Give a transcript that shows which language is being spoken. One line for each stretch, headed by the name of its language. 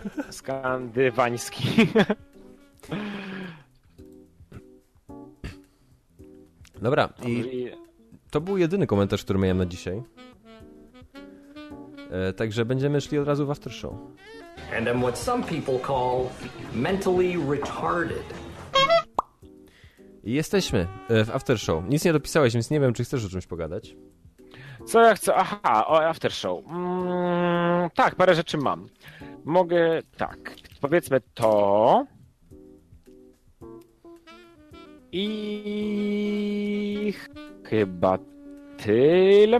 Polish: Skandywański. Dobra, i to był jedyny komentarz, który miałem na dzisiaj. Także będziemy szli od razu w after show.
English: And I'm what some people call mentally retarded.
Polish: Jesteśmy w after show. Nic nie dopisałeś, więc nie wiem, czy chcesz o czymś pogadać. Co ja chcę? Aha, o aftershow. Tak, parę rzeczy mam. Mogę, tak, powiedzmy to. I chyba tyle.